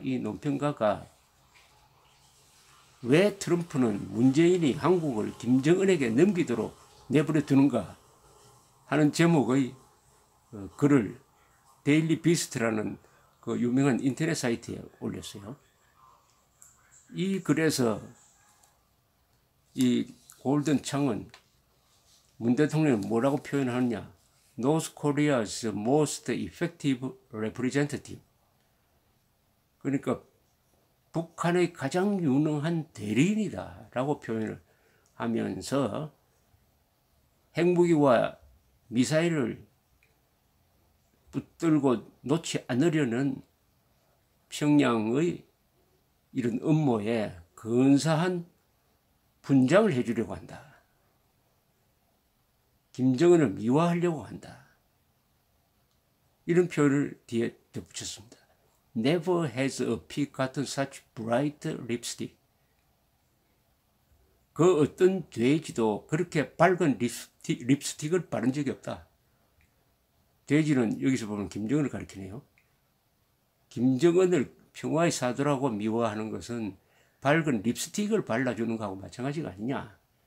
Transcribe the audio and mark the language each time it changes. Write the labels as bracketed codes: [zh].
[ko] 이 논평가가 왜 트럼프는 문재인이 한국을 김정은에게 넘기도록 내버려 두는가 하는 제목의 글을 데일리 비스트라는 그 유명한 인터넷 사이트에 올렸어요. 이 글에서 이 골든 창은 문 대통령을 뭐라고 표현하느냐? [en] North Korea's most effective representative. [ko] 그러니까 북한의 가장 유능한 대리인이다라고 표현을 하면서 핵무기와 미사일을 붙들고 놓지 않으려는 평양의 이런 음모에 근사한 분장을 해주려고 한다. 김정은을 미화하려고 한다. 이런 표현을 뒤에 덧붙였습니다. [en] Never has a pig gotten such bright lipstick. [ko] 그 어떤 돼지도 그렇게 밝은 립스틱을 바른 적이 없다. 돼지는 여기서 보면 김정은을 가리키네요. 김정은을 평화의 사도라고 미워하는 것은 밝은 립스틱을 발라주는 것하고 마찬가지가 아니냐.